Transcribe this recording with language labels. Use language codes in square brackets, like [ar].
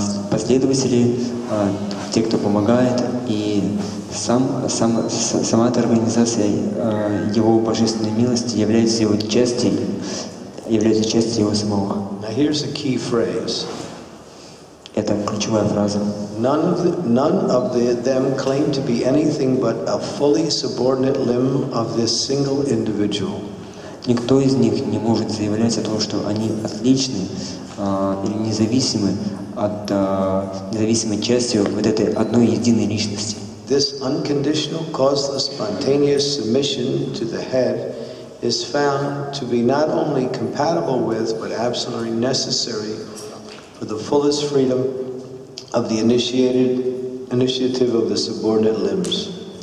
[ru] Последователи, те, кто помогает, и сама эта организация его божественной милости является его частью, его самого. [en] Now here's a key phrase. [ru] Это ключевая фраза. [en] None of them claim to be anything but a fully subordinate limb of this single individual. [ru] Никто из них не может заявлять о том, что они отличны или независимы от независимой частью вот этой одной единой личности. [en] This unconditional, causeless, spontaneous submission to the head is found to be not only compatible with, but absolutely necessary for the fullest freedom of the initiative of the subordinate limbs.